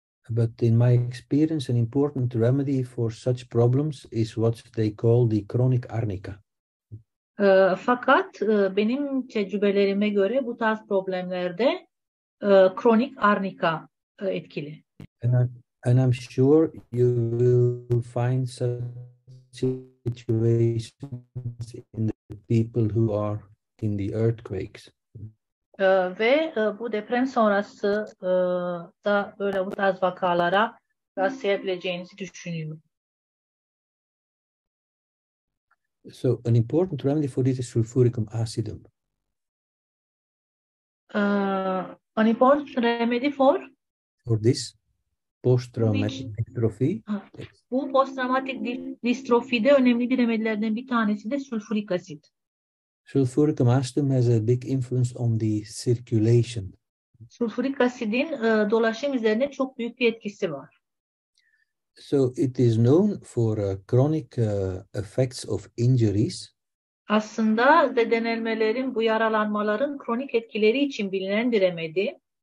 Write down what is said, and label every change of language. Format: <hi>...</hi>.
<en>But in my experience, an important remedy for such problems is what they call the chronic arnica.</en> <tr>Fakat benim tecrübelerime göre bu tarz problemlerde kronik arnika etkili.</tr> <en>And And I'm sure you will find some situations in the people who are in the earthquakes.</en> <tr>Ve bu deprem sonrası da böyle bu tarz vakalara rastlayabileceğinizi düşünüyorum.</tr> <en>So an important remedy for this is sulfuricum acidum. An important remedy for? For this post-traumatic dystrophy.</en> <tr>Bu post-traumatik distrofide önemli bir remedilerden bir tanesi de sulfuric acid.</tr> <en>Sulfuricum acidum has a big influence on the circulation.</en> <tr>Sulfuric acid'in dolaşım üzerine çok büyük bir etkisi var.</tr> <en>So it is known for chronic effects of injuries.</en> <tr>Aslında bedenelmelerin, bu yaralanmaların kronik etkileri için bilinen bir remedi.</tr>